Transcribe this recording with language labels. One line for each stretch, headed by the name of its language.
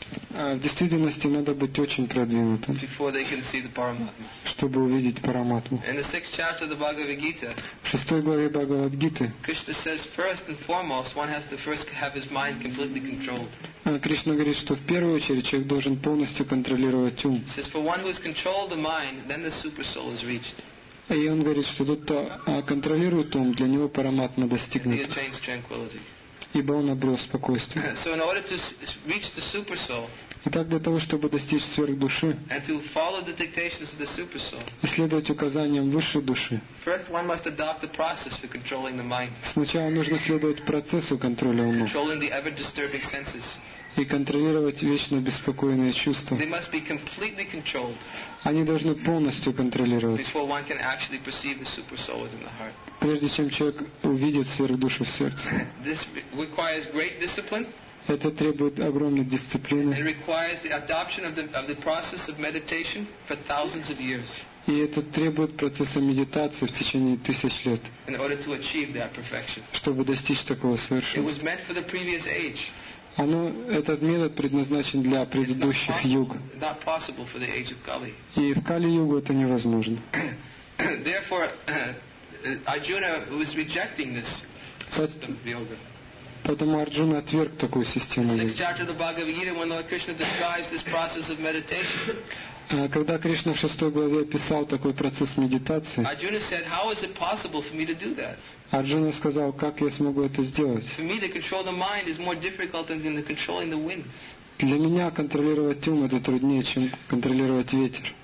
Russian: В действительности надо быть очень продвинутым.
English: Before they can see the Paramatma.
Russian: Чтобы увидеть Параматму.
English: In the sixth chapter of the Bhagavad Gita.
Russian: В шестой главе Бхагавад Гиты.
English: Krishna says, first and foremost, one has to first have his mind completely controlled.
Russian: Кришна говорит, что в первую очередь человек должен полностью контролировать ум.
English: Says, for one who has controlled the mind, then the super soul is reached.
Russian: И он говорит, что тот, кто контролирует ум, для него Параматма достигнет.
English: He attains tranquility.
Russian: Ибо он обрел спокойствие.
English: So in order to reach the super soul,
Russian: итак, для того, чтобы достичь сверхдуши,
English: and to follow the dictations of the super soul,
Russian: и следовать указаниям высшей души,
English: first one must adopt the process for controlling the mind.
Russian: Сначала нужно следовать процессу контроля ума.
English: Controlling the ever disturbing senses.
Russian: И контролировать вечно беспокойные чувства.
English: They must be completely controlled.
Russian: Они должны полностью контролировать.
English: Before one can actually perceive the super soul within the heart.
Russian: Прежде чем человек увидит сверхдушу в сердце.
English: This requires great discipline.
Russian: Это требует огромной дисциплины.
English: It requires the adoption of the process of meditation for thousands of years.
Russian: И это требует процесса медитации в течение тысяч лет.
English: In order to achieve that perfection.
Russian: Чтобы достичь такого совершенства.
English: It was meant for the previous age.
Russian: Оно, этот метод предназначен для предыдущих юг.
English: Not possible for the age of Kali.
Russian: И в Кали-югу это невозможно.
English: Therefore, Arjuna was rejecting this system of yoga.
Russian: Поэтому Арджуна отверг такую систему.
English: In the sixth chapter of the Bhagavad Gita, when Lord Krishna describes this process of meditation,
Russian: когда Кришна в шестой главе описал такой процесс медитации,
English: Arjuna said, how is it possible for me to do that?
Russian: Арджуна сказал, как я смогу это сделать?
English: For me to control the mind is more difficult than controlling the wind.
Russian: Для меня контролировать ум это труднее, чем контролировать ветер.